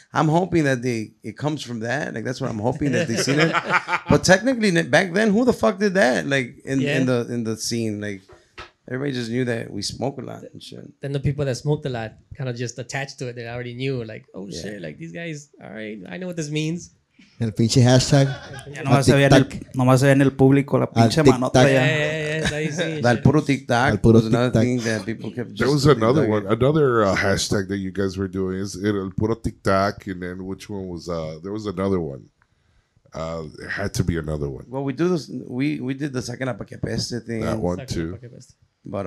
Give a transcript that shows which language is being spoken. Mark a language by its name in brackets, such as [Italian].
[English] I'm hoping that it comes from that. Like, that's what I'm hoping that they've seen it. But technically, back then, who the fuck did that? Like, in the scene, like, everybody just knew that we smoke a lot and shit. Then the people that smoked a lot kind of just attached to it. They already knew, like, oh, yeah. Shit, like, these guys, all right, I know what this means. [Spanish] El pinche hashtag. Nomás se ve en el público la pinche manota. Al puro TikTok. Al puro TikTok. [English] There was another one. Another hashtag that you guys were doing is [Spanish] el puro TikTok. [English] And then which one was... there was another one. It had to be another one. Well, we do this. We did the Sacana Pa Que Peste thing. That one too. But,